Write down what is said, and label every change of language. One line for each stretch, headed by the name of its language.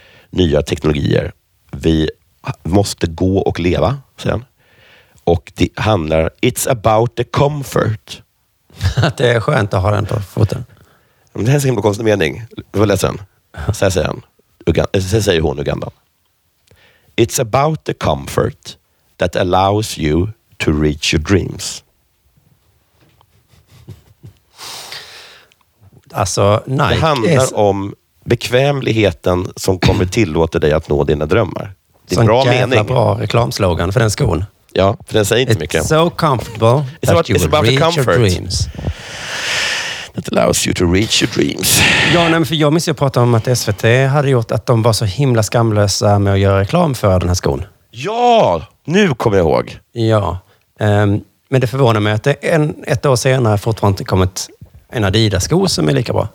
Swedish: Nya teknologier. Vi måste gå och leva, säger han. Och det handlar...
English: It's about the comfort.
Swedish: Att det är skönt att ha den på foten. Det här är en himla konstig mening. Du får läsa den. Så här säger han. Så här säger hon, Ugandan.
English: It's about the comfort that allows you to reach your dreams.
Swedish: Alltså, Nike. Det handlar om bekvämligheten som kommer tillåta dig att nå dina drömmar. Det är en bra mening. Bra reklamslogan för den skon. Ja, för den säger inte
English: it's
Swedish: mycket.
English: It's so comfortable that about, you will reach your dreams. That allows you to reach your dreams.
Swedish: Ja, nej, för jag minns ju att prata om att SVT hade gjort att de var så himla skamlösa med att göra reklam för den här skon. Ja, nu kommer jag ihåg. Ja, men det förvånar mig att det ett år senare fortfarande inte kommit en Adidas-sko som är lika bra.